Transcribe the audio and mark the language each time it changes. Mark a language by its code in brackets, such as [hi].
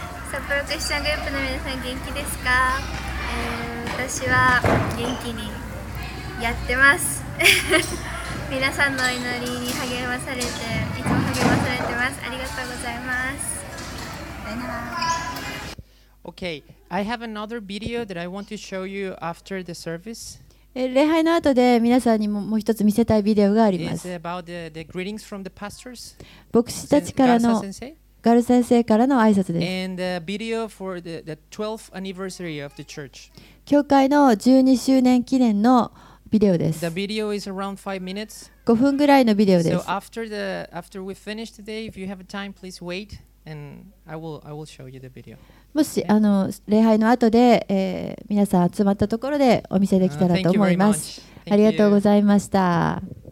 [ja] 札幌クリスチャングループの皆さん元気ですか、私は元気にやってます。皆さんの祈りに励まされて、いつも励まされてます。ありがとうございます。 [en] Okay, I have another video that I want to show you after the service. [ja] 礼拝の後で皆さんにもう一つ見せたいビデオがあります。 [en] It's about the greetings from the pastors. [ja] 牧師たちからの、ガル先生からの挨拶です。 [en] And the video for the 12th anniversary of the church. [ja] 教会の12周年記念のビデオです。 [en] The video is around 5 minutes. [ja] 5分ぐらいのビデオです。 [en] So after we finish today, if you have time, please wait, and I will show you the video. [ja] もし、あの礼拝の後で、皆さん集まったところでお見せできたらと思います。ありがとうございました。